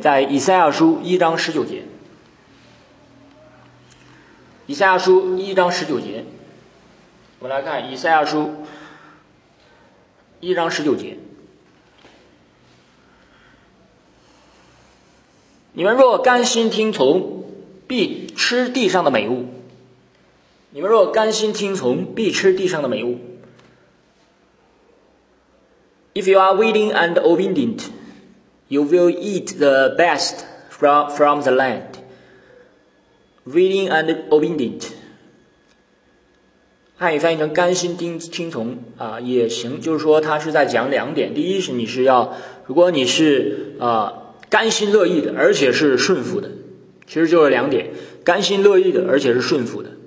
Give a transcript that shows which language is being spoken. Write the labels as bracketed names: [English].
[Chinese] 在以赛亚书1章19节，以赛亚书1章19节，我们来看以赛亚书1章19节。你们若甘心听从，必吃地上的美物。你们若甘心听从，必吃地上的美物。 [English] If you are willing and obedient, You will eat the best from the land. Willing and obedient. [Chinese] 汉语翻译成甘心听从啊、也行，就是说他是在讲两点。第一是你是要，如果你是甘心乐意的，而且是顺服的，其实就是两点，甘心乐意的，而且是顺服的。